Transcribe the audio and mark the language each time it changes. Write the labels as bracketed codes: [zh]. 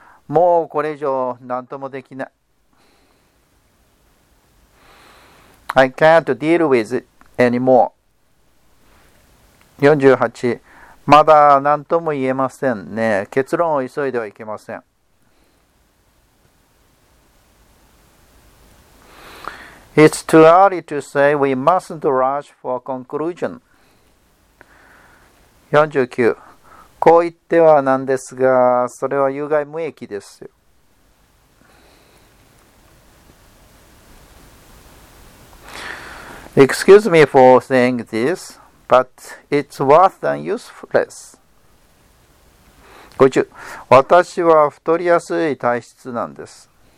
[ja] もうこれ以上何ともできない。 [en] I can't deal with it anymore. 48. [ja] まだ何とも言えませんね。結論を急いではいけません。 [en] It's too early to say we mustn't rush for conclusion. 49. [ja] こう言ってはなんですが、それは有害無益ですよ。 [en] Excuse me for saying this, but it's worse than useless. 50. [ja] 私は太りやすい体質なんです。